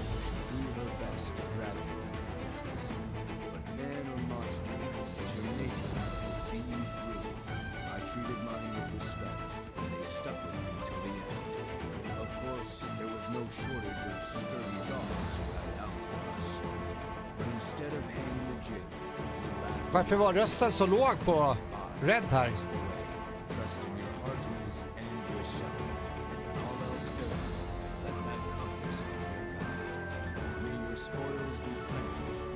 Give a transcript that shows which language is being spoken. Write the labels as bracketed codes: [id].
[en] She'll do her best to drag you into the dance. But man or monster, it's your natives that will see you through. I treated mine with respect, and they stuck with me till the end. Of course, there was no shortage of sturdy dogs who had out for us. But instead of hanging the jig, we laughed. [sv] Varför var rösten så låg på Red här? [en] Trust in your hearties and yourself. And when all else fails, let that compass be your guide. May your spoils be plenty.